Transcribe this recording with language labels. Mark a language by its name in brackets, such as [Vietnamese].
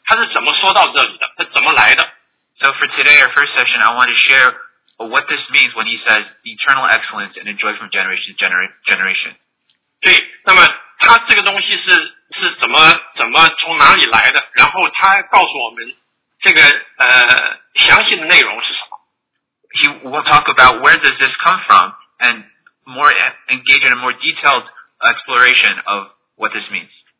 [Chinese] 对，那我们今天愿意跟弟兄姊妹，我们第一节我们愿意交通一下，就是说，那耶和华说永远的荣华，累代的喜乐，他是怎么说到这里的？他怎么来的？ [English] So for today, our first session, I want to share what this means when he says eternal excellence and enjoy from generation to generation. [Chinese] 对，那么他这个东西是怎么从哪里来的？然后他告诉我们这个详细的内容是什么。 [English] He will talk about where does this come from and more engage in a more detailed exploration of what this means.